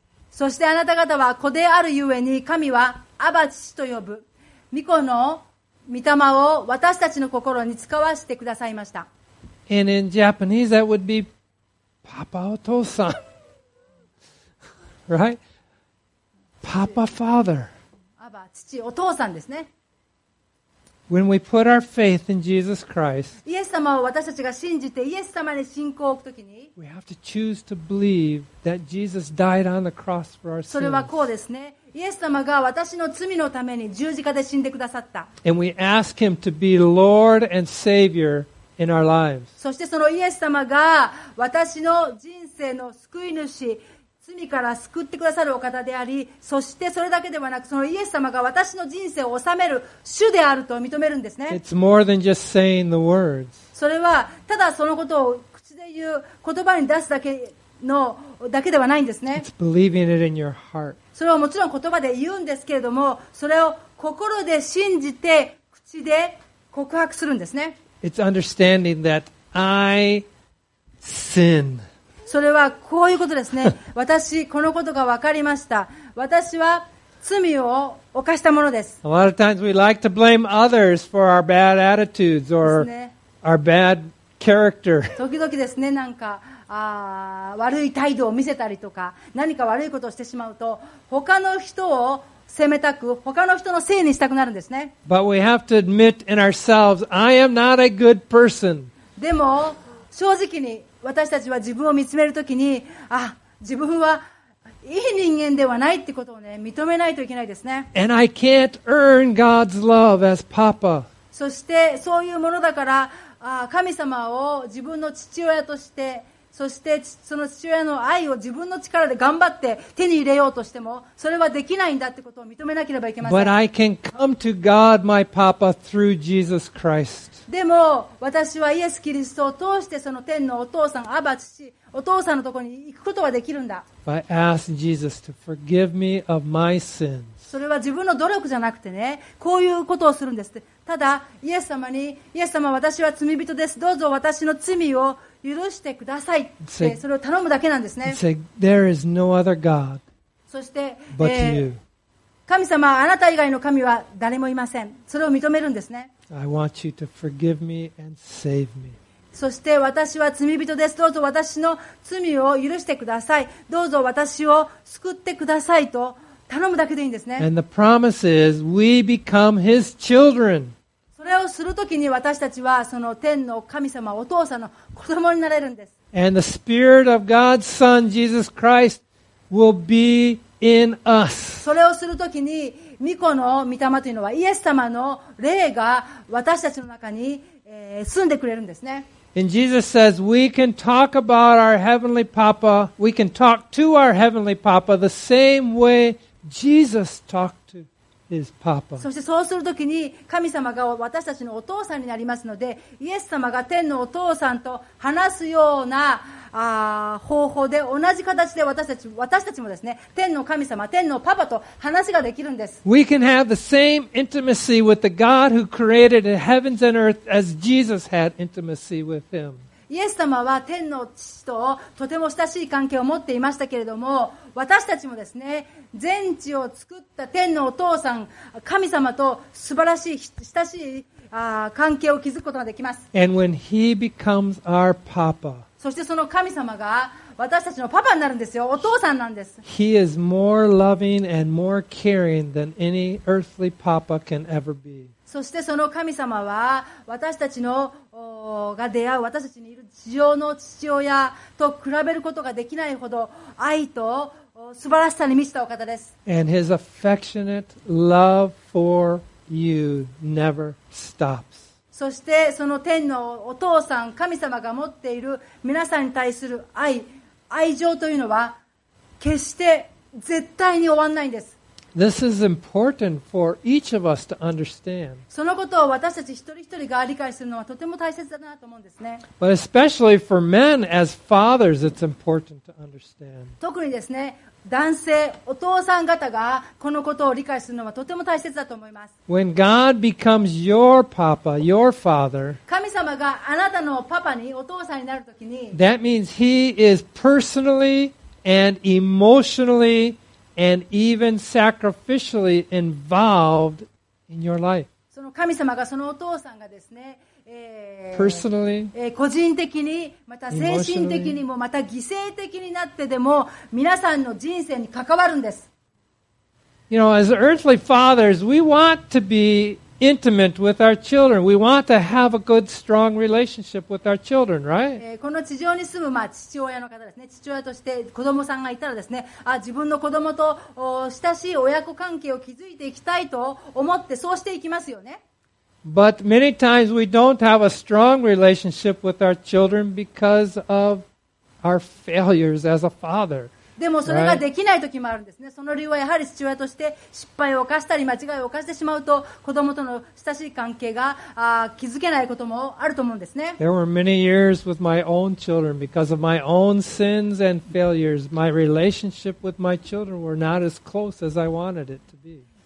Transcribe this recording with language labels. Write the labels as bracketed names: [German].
[Japanese] そしてあなた方は子であるゆえに神はアバ父と呼ぶ。御子の御霊を私たちの心に使わせてくださいました。 [English] And in Japanese, that would be Papa Otosan. Right? Papa Father. [Japanese] Abba, 父、お父さんですね。 [English] When we put our faith in Jesus Christ, [Japanese] イエス様を私たちが信じてイエス様に信仰を置くときに、 [English] we have to choose to believe that Jesus died on the cross for our sins. [Japanese] それはこうですね。イエス様が私の罪のために十字架で死んでくださった。 [English] And we ask him to be Lord and Savior in our lives. [Japanese] そしてそのイエス様が私の人生の救い主、罪から救ってくださるお方であり、そしてそれだけではなく、そのイエス様が私の人生を治める主であると認めるんですね。 [English] It's more than just saying the words. [Japanese] それはただそのことを口で言う、言葉に出すだけのだけではないんですね。 [English] It's believing it in your heart. [Japanese] それはもちろん言葉で言うんですけれども、それを心で信じて口で告白するんですね。 [English] It's understanding that I sin. [Japanese] それはこういうことですね。私、このことが分かりました。私は罪を犯したものです。 [English] A lot of times we like to blame others for our bad attitudes or our bad character. [Japanese] 時々ですね、なんか、悪い態度を見せたりとか、何か悪いことをしてしまうと、他の人を責めたく、他の人のせいにしたくなるんですね。 [English] But we have to admit in ourselves, I am not a good person. [Japanese] でも、正直に、私たちは自分を見つめるときに、あ、自分はいい人間ではないってことをね、認めないといけないですね。 [English] And I can't earn God's love as Papa. [Japanese] そしてそういうものだから、神様を自分の父親として、そしてその父親の愛を自分の力で頑張って手に入れようとしても、それはできないんだってことを認めなければいけません。 [English] But I can come to God, my Papa, through Jesus Christ. [Japanese] でも私はイエス・キリストを通してその天のお父さん、アバ父、お父さんのところに行くことはできるんだ。 [English] I ask Jesus to forgive me of my sins. [Japanese] それは自分の努力じゃなくてね、こういうことをするんです。ただイエス様に、イエス様、私は罪人です。どうぞ私の罪を許してくださいって、それを頼むだけなんですね。 [English] Say, There is no other God [Japanese] そして、 [English] but you. [Japanese] 神様、あなた以外の神は誰もいません。それを認めるんですね。 [English] I want you to forgive me and save me. [Japanese] そして私は罪人です。どうぞ私の罪を許してください。どうぞ私を救ってくださいと頼むだけでいいんですね。 [English] And the promise is we become his children. [Japanese] それをするときに私たちはその天の神様、お父さんの子供になれるんです。 [English] And the Spirit of God's Son, Jesus Christ, will be in us. [Japanese] それをするときに御子の御霊というのはイエス様の霊が私たちの中に住んでくれるんですね。 [English] And Jesus says we can talk about our heavenly Papa, we can talk to our heavenly Papa the same way Jesus talked to his Papa. [Japanese] そしてそうするときに神様が私たちのお父さんになりますので、イエス様が天のお父さんと話すような方法で同じ形で私たちもですね、天の神様、天のパパと話ができるんです。 [English] We can have the same intimacy with the God who created the heavens and earth as Jesus had intimacy with him. [Japanese] イエス様は天の父ととても親しい関係を持っていましたけれども、私たちもですね、全地を作った天のお父さん、神様と素晴らしい親しい関係を築くことができます。 [English] And when he becomes our papa, [Japanese] そしてその神様が私たちのパパになるんですよ。お父さんなんです。 [English] He is more loving and more caring than any earthly papa can ever be. [Japanese] そしてその神様は私たちのが出会う私たちにいる地上の父親と比べることができないほど愛と素晴らしさに満ちたお方です。 [English] And his affectionate love for you never stops. [Japanese] そしてその天のお父さん、神様が持っている皆さんに対する愛情というのは決して絶対に終わらないんです。 [English] This is important for each of us to understand. [Japanese] そのことを私たち一人一人が理解するのはとても大切だなと思うんですね。 [English] But especially for men as fathers, it's important to understand. [Japanese] 特にですね、男性、お父さん方がこのことを理解するのはとても大切だと思います。 [English] When God becomes your papa, your father, [Japanese] 神様があなたのパパに、お父さんになるときに、 [English] That means he is personally and emotionally and even sacrificially involved in your life. [Japanese] その神様が、そのお父さんがですね、 [English] Personally, [Japanese] 個人的に、また精神的にも、また犠牲的になってでも、皆さんの人生に関わるんです。 [English] You know, as earthly fathers, we want to be intimate with our children. We want to have a good, strong relationship with our children, right? [Japanese] この地上に住む、まあ、父親の方ですね。父親として子供さんがいたらですね、あ、自分の子供と親しい親子関係を築いていきたいと思って、そうしていきますよね。 [English] But many times we don't have a strong relationship with our children because of our failures as a father. [Japanese] でもそれができない時もあるんですね。その理由はやはり父親として失敗を犯したり間違いを犯してしまうと子供との親しい関係が築けないこともあると思うんですね。 [English] There were many years with my own children because of my own sins and failures. My relationship with my children were not as close as I wanted it to be.